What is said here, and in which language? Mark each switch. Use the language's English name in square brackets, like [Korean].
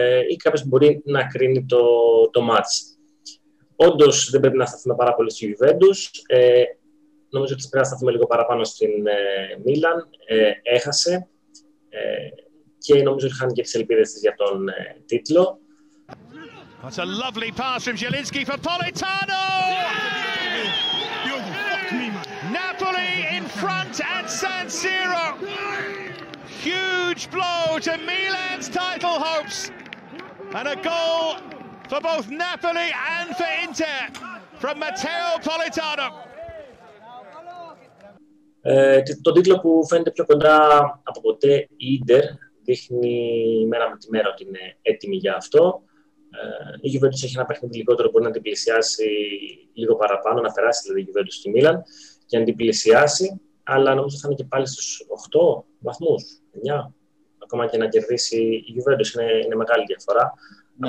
[Greek] ή κάποιος μπορεί να κρίνει το μάτς. Όντως δεν πρέπει να σταθούμε πάρα πολύ στη Γιουβέντους. Νομίζω ότι πρέπει να σταθούμε λίγο παραπάνω στην Μίλαν. Έχασε και νομίζω ότι χάνει και τις ελπίδες της για τον τίτλο. [English] That's a lovely pass from Zielinski for Politano! Yeah! You fucked me, man. Napoli in front at San Siro. Huge blow to Milan's title hopes. And a goal for both Napoli and for Inter from Matteo Politano. [Greek] Το τίτλο που φαίνεται πιο κοντά από ποτέ, η Ίντερ, δείχνει μέρα με τη μέρα ότι είναι έτοιμη για αυτό. Η Γιουβέντους έχει ένα παιχνίδι λιγότερο, μπορεί να την πλησιάσει λίγο παραπάνω, να περάσει δηλαδή η Γιουβέντους στη Μίλαν και να την πλησιάσει, αλλά νομίζω θα είναι και πάλι στους 8 βαθμούς, 9, ακόμα και να κερδίσει η Γιουβέντους, είναι μεγάλη διαφορά. Ναι.